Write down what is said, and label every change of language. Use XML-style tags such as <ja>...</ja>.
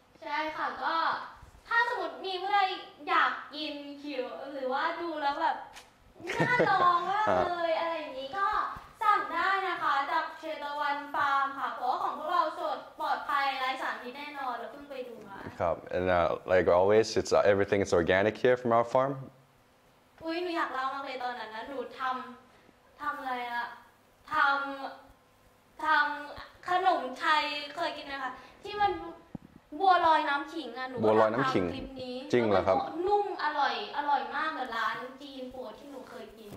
<th>ใช่ค่ะก็ถ้าสมมติมีเพื่อนอยากกินขิงว่าดูแล้วแบบน่าลองมากเลยอะไรอย่างนี้ก็สั่งได้นะคะจากเชตวันฟาร์มค่ะเพราะของพวกเราสดปลอดภัยไร้สารพิษแน่นอนแล้วเพิ่งไปดูมา ครับ</th> <en>and like always it's everything is organic here from our farm</en> <th>อุ้ยหนูอยากเล่ามากเลยตอนนั้นนะหนูทำอะไรอะทำขนมไทยเคยกินไหมคะที่มันบัวลอยน้ำขิงอ่ะหนู บัวลอยน้ำขิง คลิปนี้ จริงเหรอครับ นุ่มอร่อยมากเหมือนร้านจีนปัวที่หนูเคยกิน</th>